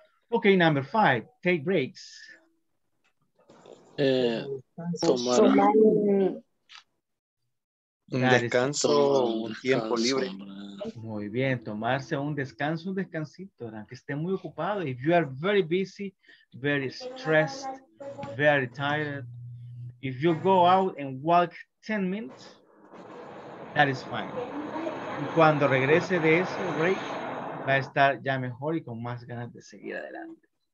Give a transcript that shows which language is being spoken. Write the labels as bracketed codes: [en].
[en] Okay, number five, take breaks. [es] Tomar un descanso, un tiempo libre. Muy bien, tomarse un descansito, aunque esté muy ocupado. [en] If you are very busy, very stressed, very tired, if you go out and walk 10 minutes, that is fine. [es] Y cuando regrese de ese break, va a estar ya mejor y con más ganas de seguir adelante.